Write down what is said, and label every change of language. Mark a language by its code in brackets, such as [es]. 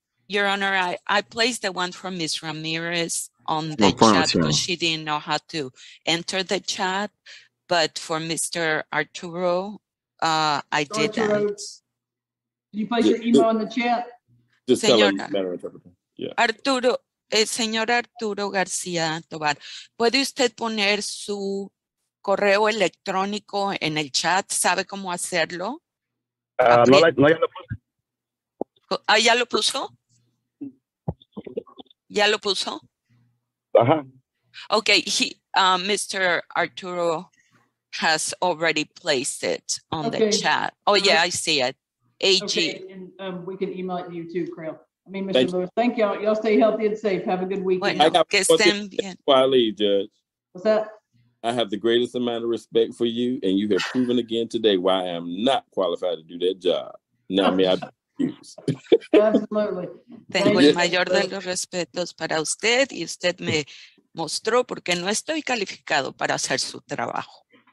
[en] Your Honor, I placed the one from Ms. Ramirez on the chat because she didn't know how to enter the chat, but for Mr. Arturo, I did that. Can you place your email in the chat? Just señor, tell him better interpreter. Yeah. [es] Arturo, señor Arturo García Tobar, ¿puede usted poner su correo electrónico en el chat? ¿Sabe cómo hacerlo? No, ya lo puse. ¿Ya lo puso? ¿Ya lo puso? Uh-huh. [en] Okay, Mr. Arturo has already placed it on the chat. Oh, yeah, I see it. AG. Okay, and we can email it to you too, Krill. I mean, Mr. Thank Lewis, thank you. Y'all stay healthy and safe. Have a good weekend. Well, I leave, Judge. What's that? I have the greatest amount of respect for you, and you have proven again today why I am not qualified to do that job. Now, may I be excused? Absolutely. [es] Tengo el mayor de los respetos para usted y usted me mostró porque no estoy calificado para hacer su trabajo.